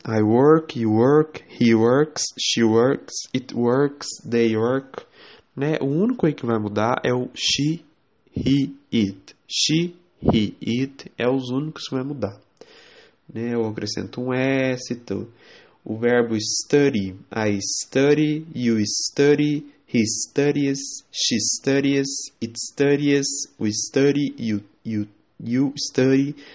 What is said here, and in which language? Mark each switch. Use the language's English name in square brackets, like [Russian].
[English] I work, you work, he works, she works, it works, they work. [Portuguese] Né? O único aí que vai mudar é o [English] she, he, it. She, he, it [Portuguese] é os únicos que vai mudar. Né? Eu acrescento um S. O verbo study. [English] I study, you study, he studies, she studies, it studies, we study, you study.